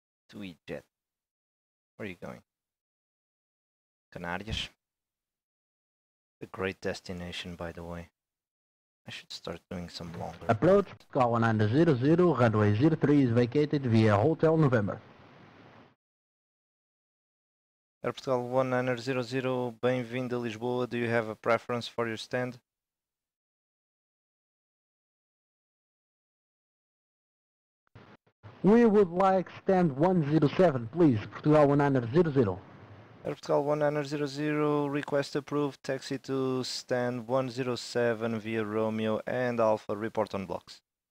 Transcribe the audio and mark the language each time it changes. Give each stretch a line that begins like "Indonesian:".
English: TUI jet. Where are you going? Canarias? A great destination, by the way. I should start doing some longer. Approach, call 1900, runway 03 is vacated via Hotel November.
Portuguese: Air Portugal 1900, bem-vindo a Lisboa.
English: Do you have a preference for your stand? We would like stand 107, please. Portugal 1900. Air Portugal 1900, request approved, taxi to stand 107 via Romeo and Alpha, report on blocks.